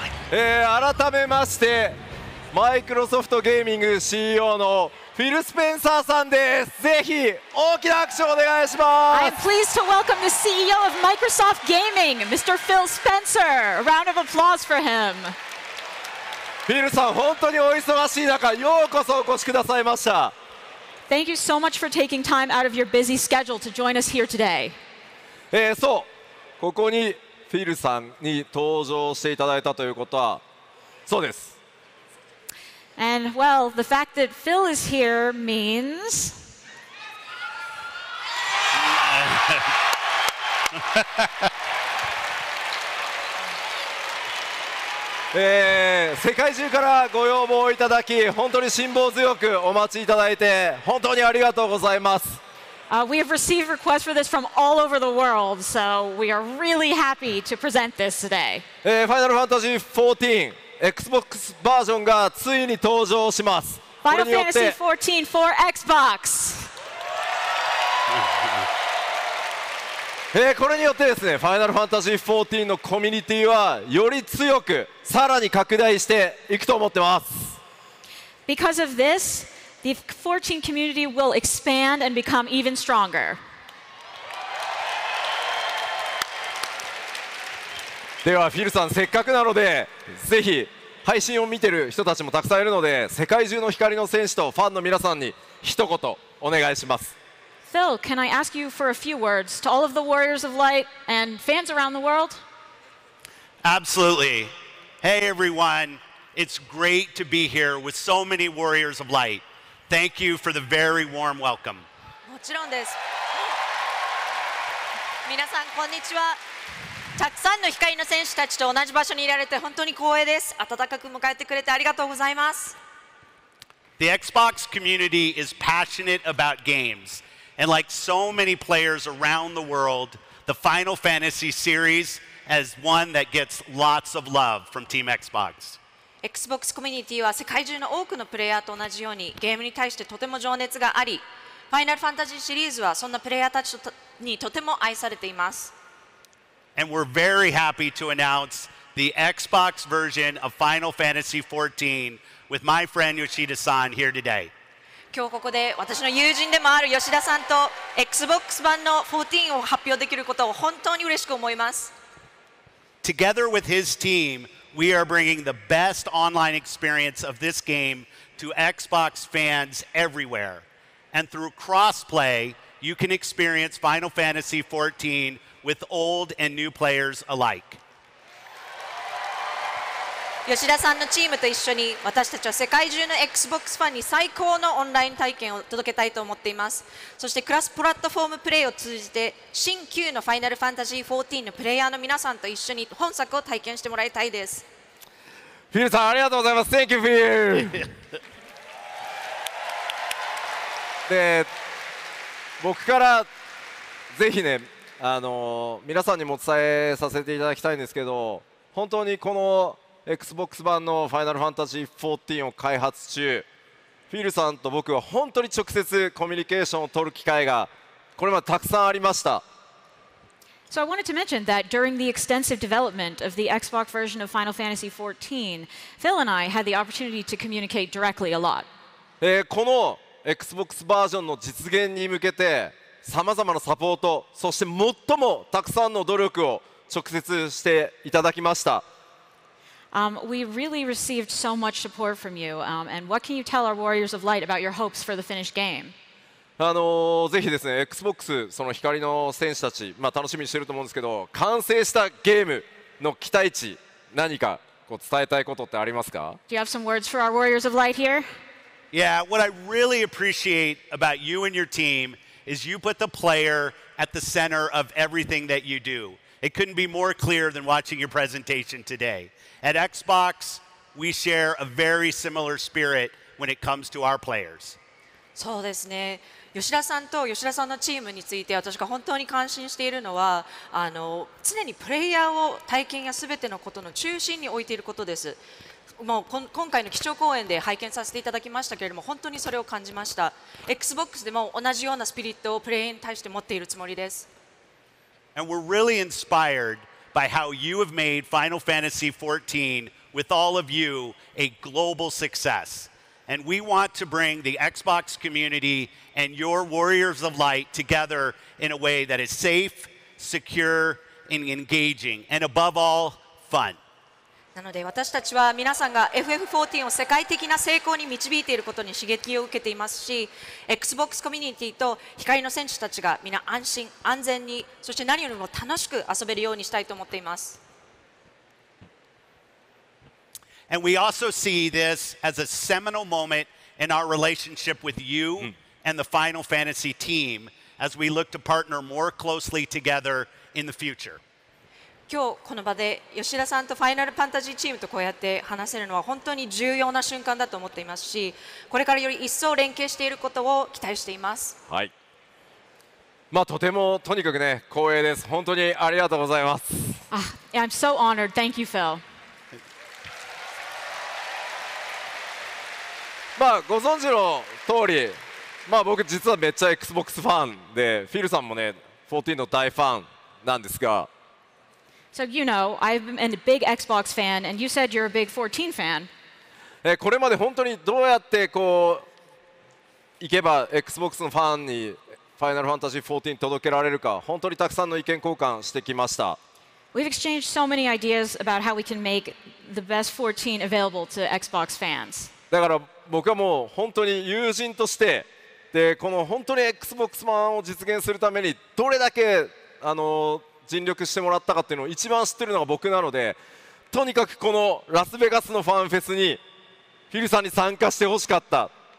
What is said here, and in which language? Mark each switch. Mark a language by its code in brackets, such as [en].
[ja] 改めまして、マイクロソフトゲーミング CEO のフィル・スペンサーさんです。ぜひ大きな拍手をお願いします。 [en] I'm pleased to welcome the CEO of Microsoft Gaming, Mr. Phil Spencer. A round of applause for him. [ja] フィルさん、本当にお忙しい中、ようこそお越しくださいました。 [en] Thank you so much for taking time out of your busy schedule to join us here today. [ja] そう、ここにフィルさんに登場していただいたということは、そうです。 [en] And well, the fact that Phil is here means... [ja] 世界中からご要望をいただき、本当に辛抱強くお待ちいただいて、本当にありがとうございます。 [en] We have received requests for this from all over the world, so we are really happy to present this today. [ja] Final Fantasy XIV, Xbox バージョンがついに登場します。 [en] Final Fantasy XIV for Xbox! [ja] これによってですね、Final Fantasy XIV のコミュニティはより強く、さらに拡大していくと思ってます。 [en] Because of this,The 14 community will expand and become even stronger. [ja] では、フィルさん、せっかくなので、ぜひ配信を見てる人たちもたくさんいるので、世界中の光の戦士とファンの皆さんに一言お願いします。 [en] Phil, can I ask you for a few words to all of the warriors of light and fans around the world? Absolutely. Hey, everyone. It's great to be here with so many warriors of light. Thank you for the very warm welcome. [ja] もちろんです。皆さんこんにちは。たくさんの光の戦士たちと同じ場所にいられて本当に光栄です。温かく迎えてくれてありがとうございます。 [en] The Xbox community is passionate about games. And like so many players around the world, the Final Fantasy series is one that gets lots of love from Team Xbox. [ja] Xbox コミュニティは世界中の多くのプレイヤーと同じようにゲームに対してとても情熱があり、Final Fantasy シリーズはそんなプレイヤーたちにとても愛されています。 [en] And we're very happy to announce the Xbox version of Final Fantasy XIV with my friend Yoshida-san here today. [ja] 今日ここで私の友人でもある吉田さんと Xbox 版の14を発表できることを本当に嬉しく思います。 [en] Together with his team,We are bringing the best online experience of this game to Xbox fans everywhere. And through crossplay, you can experience Final Fantasy XIV with old and new players alike. [ja] 吉田さんのチームと一緒に、私たちは世界中の Xbox ファンに最高のオンライン体験を届けたいと思っています。そしてクラスプラットフォームプレイを通じて、新旧の Final Fantasy XIV のプレイヤーの皆さんと一緒に本作を体験してもらいたいです。フィルさん、ありがとうございます。 [en] Thank you, フィル。 [ja] で、僕からぜひね、皆さんにも伝えさせていただきたいんですけど、本当にこの Xbox 版の Final Fantasy XIV を開発中、フィルさんと僕は本当に直接コミュニケーションを取る機会がこれまでたくさんありました。 [en] So I wanted to mention that during the extensive development of the Xbox version of Final Fantasy XIV, Phil and I had the opportunity to communicate directly a lot. [ja] この Xbox バージョンの実現に向けて、さまざまなサポート、そして最もたくさんの努力を直接していただきました。 [en] We really received so much support from you, and what can you tell our Warriors of Light about your hopes for the finished game? [ja] ぜひですね、Xbox その光の戦士たち、まあ、楽しみにしていると思うんですけど、完成したゲームの期待値、何かこう伝えたいことってありますか？ [en] Do you have some words for our Warriors of Light here? Yeah, what I really appreciate about you and your team is you put the player at the center of everything that you do. It couldn't be more clear than watching your presentation today. At Xbox, we share a very similar spirit when it comes to our players. [ja] そうですね。吉田さんと吉田さんのチームについて私が本当に感心しているのは、常にプレイヤーを体験や全てのことの中心に置いていることです。もう今回の基調講演で拝見させていただきましたけれども、本当にそれを感じました。 Xbox でも同じようなスピリットをプレイヤーに対して持っているつもりです。 [en] And we're really inspired by how you have made Final Fantasy XIV with all of you a global successAnd we want to bring the Xbox community and your Warriors of Light together in a way that is safe, secure, and engaging, and above all, fun. [ja] なので私たちは皆さんが FF14 を世界的な成功に導いていることに刺激を受けていますし、 Xbox コミュニティと光の戦士たちが皆安心、安全に、そして何よりも楽しく遊べるようにしたいと思っています。 [en] And we also see this as a seminal moment in our relationship with you and the Final Fantasy team as we look to partner more closely together in the future. [ja] 今日この場で吉田さんとファイナルファンタジーチームとこうやって話せるのは本当に重要な瞬間だと思っていますし、これからより一層連携していることを期待しています。はい。まあとてもとにかくね、光栄です。本当にありがとうございます。 [en] I'm so honored. Thank you, Phil. [ja] まあ、ご存知の通り、まあ、僕実はめっちゃ Xbox ファンで、フィルさんもね、14の大ファンなんですが。 [en] So you know, I've been a big Xbox fan, and you said you're a big 14 fan. [ja] これまで本当にどうやってこう、行けば Xbox のファンに Final Fantasy XIV 届けられるか、本当にたくさんの意見交換してきました。 [en] We've exchanged so many ideas about how we can make the best 14 available to Xbox fans. [ja] だから僕はもう本当に友人として、でこの本当に Xbox One を実現するためにどれだけ尽力してもらったかっていうのを一番知ってるのが僕なので、とにかくこのラスベガスのファンフェスにフィルさんに参加してほしかった。